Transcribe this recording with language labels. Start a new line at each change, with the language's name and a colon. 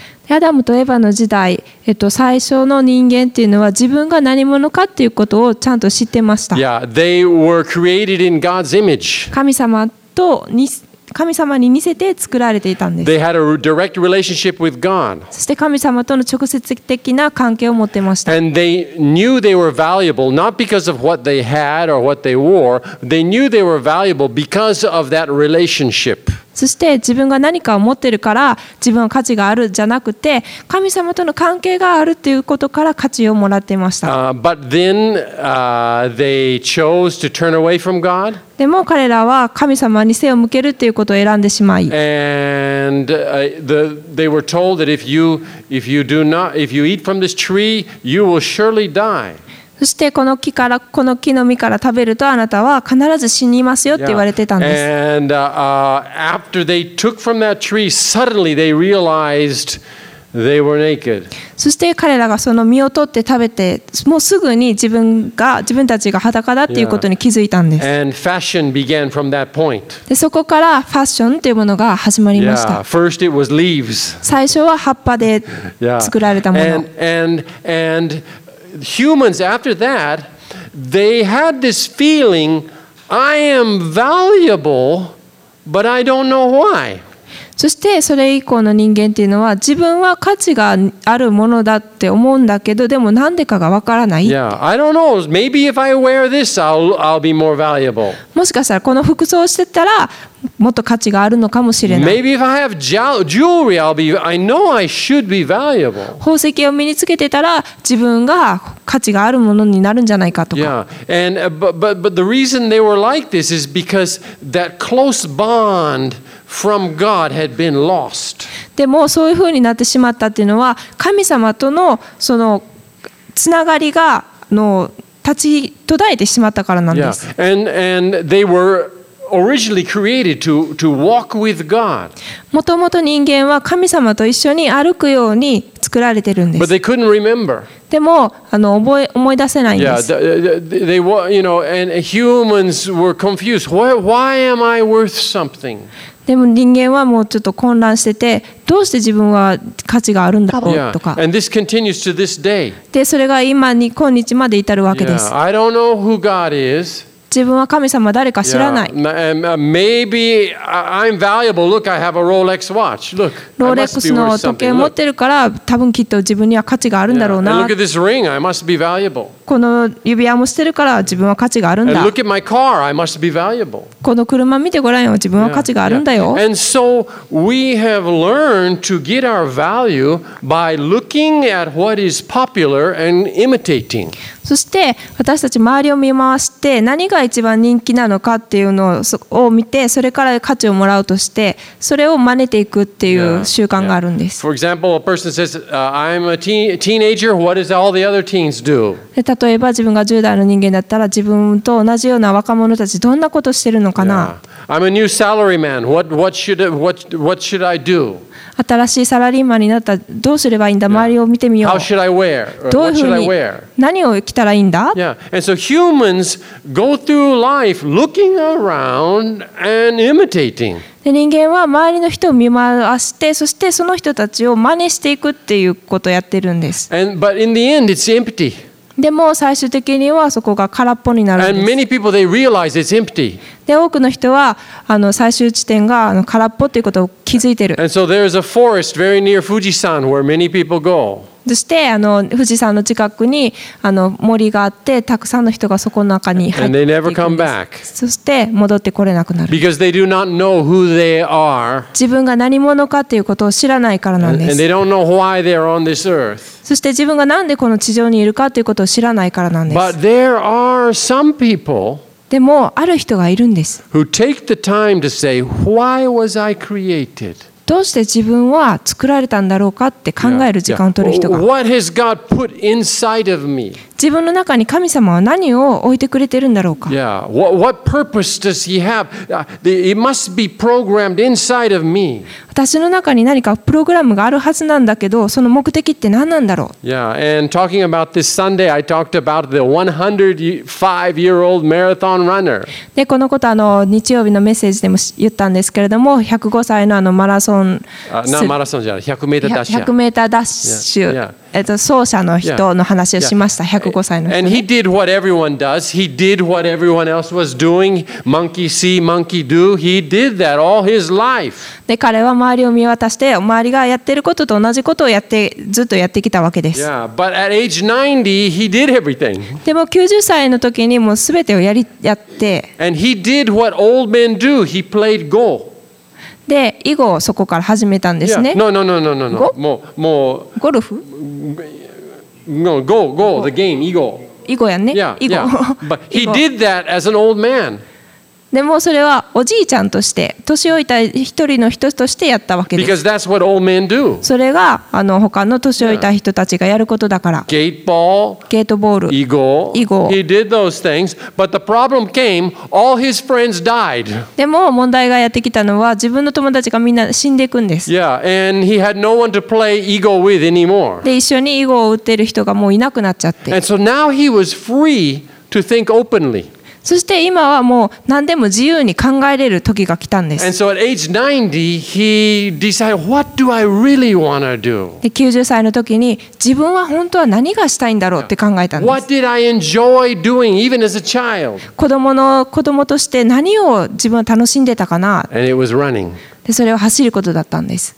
Japanese: アダムとエヴァの時代、最初の人間っていうのは自分が何者かっていうことをちゃんと知ってました。
English: Yeah, they were created in God's image.
Japanese: 神様と神様に似せて作られていたんです。
English: They had a direct relationship with God.
Japanese: そして神様との直接的な関係を持ってました。
English: And they knew they were valuable not because of what they had or what they wore. They knew they were valuable because of that relationship.
Japanese: そして自分が何かを持ってるから自分は価値があるじゃなくて、神様との関係があるということから価値をもらっていました。
English: But then, they chose to turn away from God.
Japanese: でも彼らは神様に背を向けるということを選んでしまい、
English: And, they were told that if you eat from this tree, you will surely die.
Japanese: そしてこの木の実から食べるとあなたは必ず死にますよって言われてたんです。
English: Yeah. And, after they took from that tree, suddenly they realized they were naked.
Japanese: そして彼らがその実を取って食べて、もうすぐに自分たちが裸だということに気づいたんです。
English: Yeah. And fashion began from that point.
Japanese: でそこからファッションというものが始まりました。
English: Yeah. First it was leaves.
Japanese: 最初は葉っぱで作られたもの。
English: Yeah. And humans after that, they had this feeling, I am valuable, but I don't know why.
Japanese: そしてそれ以降の人間っていうのは、自分は価値があるものだって思うんだけど、でもなんでかがわからない。
English: Yeah, I don't know. Maybe if I wear this, I'll be more valuable.
Japanese: もしかしたらこの服装をしてたら、もっと価値があるのかもしれない。
English: Maybe if I have jewelry, I know I should be valuable.
Japanese: 宝石を身につけてたら、自分が価値があるものになるんじゃないかとか。
English: Yeah, and but the reason they were like this is because that close bond from God had been lost.
Japanese: でもそういうふうになってしまったっていうのは、神様とのそのつながりが立ち途絶えてしまったからなんです。
English: Yeah, and they were. Originally created to walk with God.
Japanese: もともと人間は神様と一緒に歩くように作られてるんです。
English: But they couldn't remember.
Japanese: でも思い出せないんです。
English: Yeah, they were, you know, and humans were confused. Why am I worth something?
Japanese: でも人間はもうちょっと混乱してて、どうして自分は価値があるんだろうとか。
English: Yeah. And this continues to this day.
Japanese: でそれが今日まで至るわけです。
English: Yeah. I don't know who God is.
Japanese: 自分は神様誰か知らない。
English: Maybe I'm valuable. Look, I have a Rolex watch. Look,
Japanese: ロレックスの時計持ってるから、多分きっと自分には価値があるんだろうな。
English: Look at this ring. I must be valuable.
Japanese: この指輪もしてるから自分は価値があるんだ。
English: Look at my car. I must be valuable.
Japanese: この車見てごらんよ。自分は価値があるんだよ。
English: And so we have learned to get our value by looking at what is popular and imitating.
Japanese: そして私たち周りを見回して、何が一番人気なのかっていうのを見て、それから価値をもらうとして、それを真似ていくっていう習慣があるんです。
English: For example, a person says, I'm a teenager, what does all the other teens do?
Japanese: 例えば自分が10代の人間だったら、自分と同じような若者たちどんなことしてるのかな。
English: I'm a new salaryman, what should I do?
Japanese: 新しいサラリーマンになったらどうすればいいんだ、周りを見てみよう。
English: How I wear?
Japanese: どういうふうに、何を着たらいいんだ。
English: Yeah. And so humans go through life looking around and imitating.
Japanese: で人間は周りの人を見回して、そしてその人たちを真似していくっていうことをやってるんです。
English: But in the end it's empty.
Japanese: でも最終的にはそこが空っぽになるんです。
English: And many people, they realize it's empty.
Japanese: で多くの人は最終地点が空っぽということを気づいてる。
English: And so there is a forest very near Fujisan where many people go.
Japanese: そして富士山の近くに森があって、たくさんの人がそこの中に入っていくんです。
English: And they never come back.
Japanese: そして戻ってこれなくなる。
English: Because they do not know who they are.
Japanese: 自分が何者かということを知らないからなんです。
English: And they don't know why they are on this earth.
Japanese: そして自分がなんでこの地上にいるかということを知らないからなんです。
English: But there are some people
Japanese: でもある人がいるんです。
English: Who take the time to say, why was I created?
Japanese: どうして自分は作られたんだろうかって考える時間を取る人が。
English: What has God put inside of me?
Japanese: 自分の中に神様は何を置いてくれてるんだろうか。
English: Yeah. What purpose does he have? It must be programmed inside of me.
Japanese: 私の中に何かプログラムがあるはずなんだけど、その目的って何なんだろう。
English: Yeah, and talking about this Sunday, I talked about the 105-year-old marathon runner.
Japanese: で、このこと日曜日のメッセージでも言ったんですけれども、105歳のマラソン、マラソンじゃない、100メーターダッシュ。 100メーターダッシュ。
English: Yeah, yeah.
Japanese: 奏者の人の話をしました。 105歳の人。
English: And he did what everyone does. He did what everyone else was doing. Monkey see, monkey do. He did that all his life.
Japanese: で、彼は周りを見渡して、周りがやってることと同じことをやって、ずっとやってきたわけです。
English: Yeah, but at age 90, he did everything.
Japanese: でも90歳の時にもう全てをやって。
English: And he did what old men do. He played Go.
Japanese: で、囲碁をそこから始めたんですね。
English: Yeah. No, no, no, no, no.
Japanese: もうゴルフ
English: No, go, go, the game, 囲碁。
Japanese: 囲碁やんね。
English: Yeah,
Japanese: 囲碁。
English: But he did that as an old man.
Japanese: でもそれはおじいちゃんとして、年老いた一人の人としてやったわけです。
English: Because that's what old men do.
Japanese: それが他の年老いた人たちがやることだから。
English: Yeah. Gate ball,
Japanese: ゲートボール、囲碁。
English: He did those things, but the problem came, all his friends died.
Japanese: でも問題がやってきたのは、自分の友達がみんな死んでいくんです。
English: Yeah, and he had no one to play 囲碁 with anymore.
Japanese: で、一緒に囲碁を打ってる人がもういなくなっちゃって。
English: And so now he was free to think openly.
Japanese: そして今はもう何でも自由に考えれる時が来たんです。
English: And so at age 90, he decided, what do I really want to do?
Japanese: で、90歳の時に自分は本当は何がしたいんだろうって考えたんです。
English: What did I enjoy doing even as a child?
Japanese: 子供として何を自分は楽しんでたかな?
English: And it was running.
Japanese: で、それは走ることだったんです。